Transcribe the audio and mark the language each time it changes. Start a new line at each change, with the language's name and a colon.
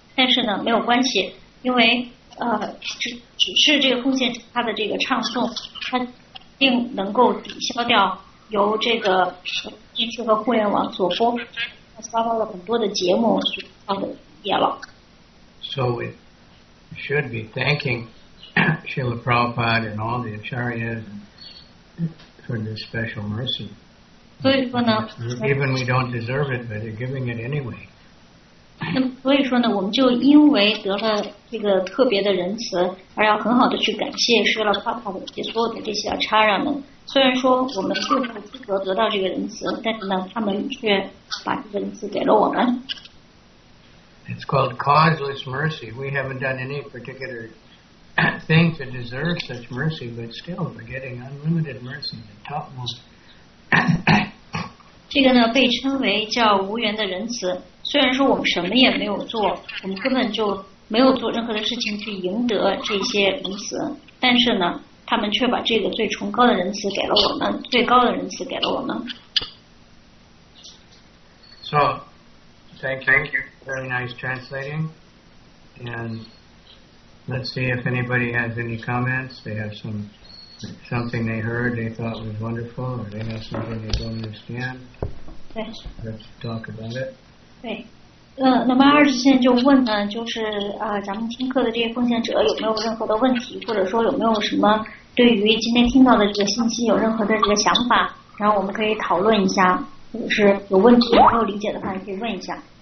Chinese: 但是呢，没有关系，因为只是这个奉献者他的这个唱诵，他并能够抵消掉由这个电视和互联网所播放发到了很多的节目放的业了。
English: So we should be thanking Srila Prabhupada and all the acharyas for this special mercy.
Chinese: 所以说呢
English: ，even we don't deserve it, but they're giving it anyway.
Chinese: 那么所以说呢，我们就因为得了这个特别的仁慈，而要很好的去感谢Srila Prabhupada以及所有的这些acharyas们。虽然说我们并不资格得到这个仁慈，但是呢，他们却把这个仁慈给了我们。
English: It's called causeless mercy. We haven't done any particular thing to deserve such mercy, but still, we're getting unlimited mercy, the topmost.
Chinese: 这个呢，被称为叫无缘的仁慈。虽然说我们什么也没有做，我们根本就没有做任何的事情去赢得这些仁慈，但是呢。他们却把这个最崇高的仁慈给了我们，最高的仁慈给了我们。
English: So, thank you. Very nice translating. And let's see if anybody has any comments. They have something they heard they thought was wonderful, or they have something they don't understand.
Chinese: 对。
English: Let's talk about it.
Chinese: 对。那么二十线就问呢，就是咱们听课的这些奉献者有没有任何的问题，或者说有没有什么对于今天听到的这个信息有任何的这个想法，然后我们可以讨论一下，或者是有问题没有理解的话，也可以问一下。